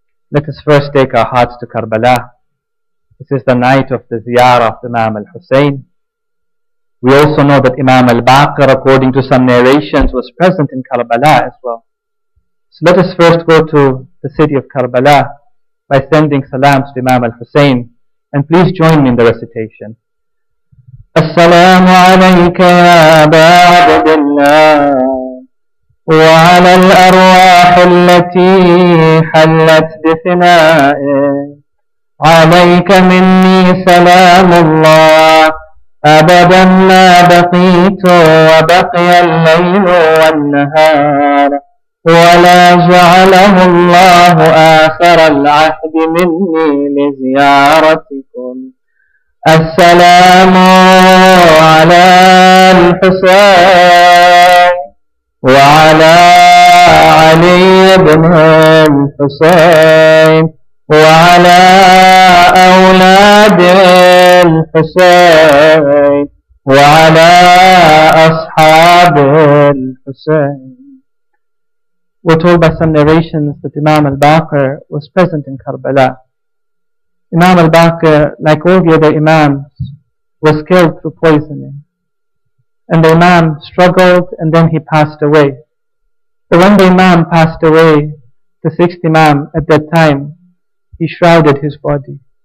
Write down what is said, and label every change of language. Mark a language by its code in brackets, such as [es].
[en] Let us first take our hearts to Karbala. This is the night of the ziyarah of Imam al-Husayn. We also know that Imam al-Baqir, according to some narrations, was present in Karbala as well. So let us first go to the city of Karbala by sending salams to Imam al-Husayn. And please join me in the recitation. [ar] السلام عليك يا أبا عبد الله وعلى الأرواح التي حلت بفنائك عليك مني سلام الله أبدا ما بقيت وبقي الليل والنهار ولا جعله الله آخر العهد مني لزيارتكم السلام على الحسين وعلى علي بن الحسين وعلى أولاد الحسين وعلى أصحاب الحسين. [en] We're told by some narrations that Imam al-Baqir was present in Karbala. Imam al-Baqir, like all the other imams, was killed through poisoning. And the imam struggled and then he passed away. But when the imam passed away, the sixth imam at that time, he shrouded his body.